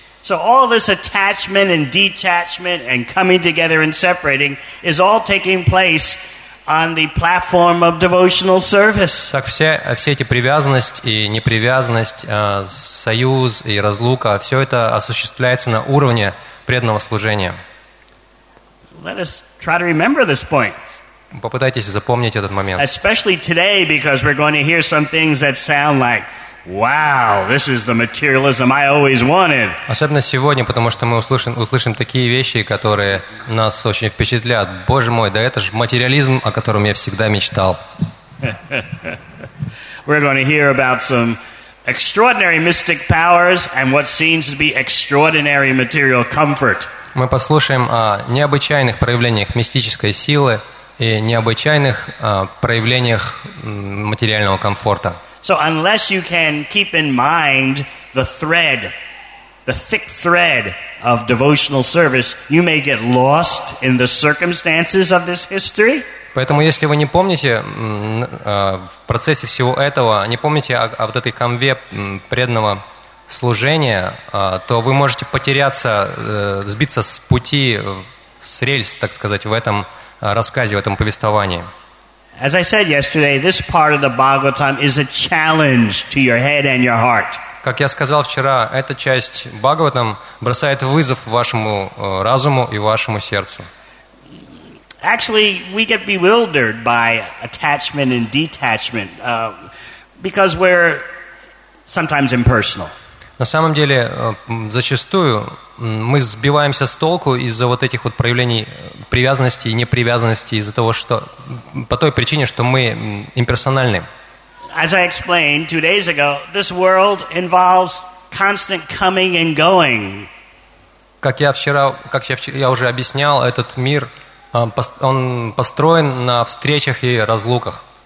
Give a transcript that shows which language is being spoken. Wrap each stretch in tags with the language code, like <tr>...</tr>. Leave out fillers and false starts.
<en>So all this attachment and detachment and coming together and separating is all taking place on the platform of devotional service.</en> <ru>Так все эти привязанность и непривязанность, союз и разлука, все это осуществляется на уровне преданного служения.</ru> <en>Let us try to remember this point.</en> <ru>Попытайтесь запомнить этот момент.</ru> <en>Especially today, because we're going to hear some things that sound like, wow, this is the materialism I always wanted.</en> <ru>Особенно сегодня, потому что мы услышим такие вещи, которые нас очень впечатлят. Боже мой, да это же материализм, о котором я всегда мечтал.</ru> <en>We're going to hear about some extraordinary mystic powers and what seems to be extraordinary material comfort.</en> <ru>Мы послушаем о необычайных проявлениях мистической силы и необычайных проявлениях материального комфорта.</ru> <en>So unless you can keep in mind the thread, the thick thread of devotional service, you may get lost in the circumstances of this history.</en> <ru>Поэтому, если вы не помните в процессе всего этого, не помните о вот этой канве преданного служения, то вы можете потеряться, сбиться с пути, с рельс, так сказать, в этом рассказе, в этом повествовании.</ru> <en>As I said yesterday, this part of the Bhagavatam is a challenge to your head and your heart.</en> <ru>Как я сказал вчера, эта часть Бхагаватам бросает вызов вашему разуму и вашему сердцу.</ru> <en>Actually, we get bewildered by attachment and detachment because we're sometimes impersonal.</en> <ru>На самом деле, зачастую мы сбиваемся с толку из-за вот этих вот проявлений привязанности и непривязанности из-за того, что по той причине, что мы имперсональны.</ru> <en>As I explained 2 days ago, this world involves constant coming and going.</en> <ru>Как я уже объяснял, этот мир он построен на встречах и разлуках.</ru>